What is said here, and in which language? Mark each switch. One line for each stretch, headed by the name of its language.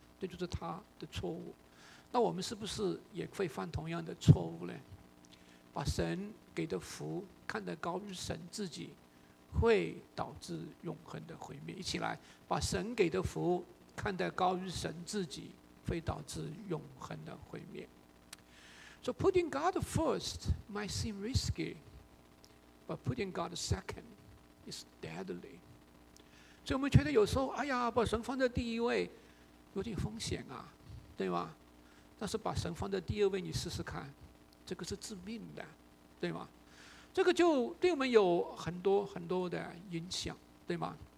Chinese: 这就是他的错误。那我们是不是也会犯同样的错误呢？把神给的福看得高于神自己，会导致永恒的毁灭。一起来，把神给的福看得高于神自己，会导致永恒的毁灭。
English: So putting God first might seem risky, but putting God second is deadly.
Chinese: 所以我们觉得有时候，哎呀，把神放在第一位有点风险啊，对吧？但是把神放在第二位，你试试看，这个是致命的，对吧？这个就对我们有很多很多的影响，对吗？